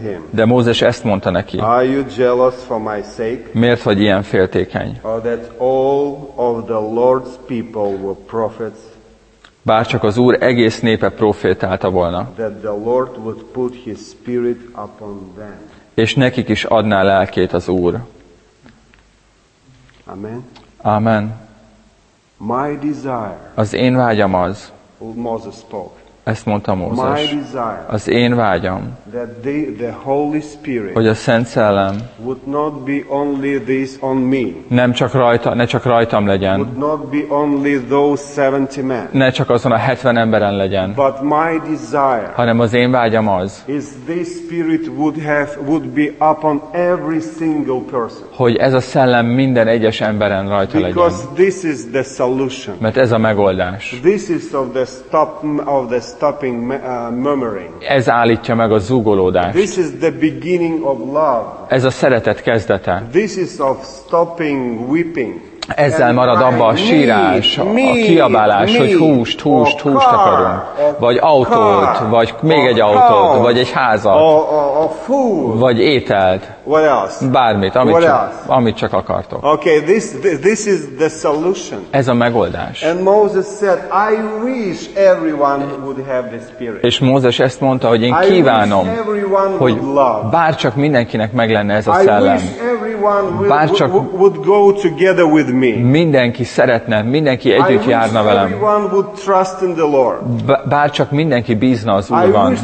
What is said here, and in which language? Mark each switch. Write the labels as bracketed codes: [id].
[hu] De Mózes ezt mondta neki. [en] Are you jealous for my sake? [hu] Miért vagy ilyen féltékeny? [en] Or that all of the Lord's people were prophets? [hu] Bár csak az Úr egész népe profétálta volna. [en] That the Lord would put his spirit upon them. [hu] És nekik is adná lelkét az Úr. [en] Amen. [hu] Amen. [en] My desire. [hu] Az én vágyam az. [en] Moses spoke. [hu] Ezt mondta Mózes. [en] My desire. [hu] Az én vágyam. [en] That the Holy Spirit. [hu] Hogy a Szent Szellem. [en] Would not be only this on me. [hu] Nem csak rajta, ne csak rajtam legyen. [en] Would not be only those 70 men. [hu] Ne csak azon a 70 emberen legyen. [en] But my desire. [hu] Hanem az én vágyam az. [en] Is this Spirit would be upon every single person. [hu] Hogy ez a Szellem minden egyes emberen rajta [en] because [hu] legyen. [en] Because this is the solution. [hu] Mert ez a megoldás. [en] This is of the stopping murmuring. [hu] Ez állítja meg a zúgolódást. [en] This is the beginning of love. [hu] Ez a szeretet kezdete. [en] This is of stopping weeping. [hu] Ezzel marad abba a sírás, a kiabálás, hogy húst, húst, húst akarunk. Vagy autót, vagy még egy autót, vagy egy házat, vagy ételt. [en] What else? [hu] Bármit, amit csak akartok. [en] Okay, this is the solution. [hu] Ez a megoldás. [en] And Moses said, I wish everyone would have the spirit. [hu] És Mózes ezt mondta, hogy én kívánom, hogy bárcsak mindenkinek meg lenne ez a Szellem. Bárcsak [en] would go together with me. [hu] Mindenki szeretne, mindenki együtt járna velem. [en] Everyone would trust in the Lord. [hu] Bárcsak mindenki bízna az Úrban.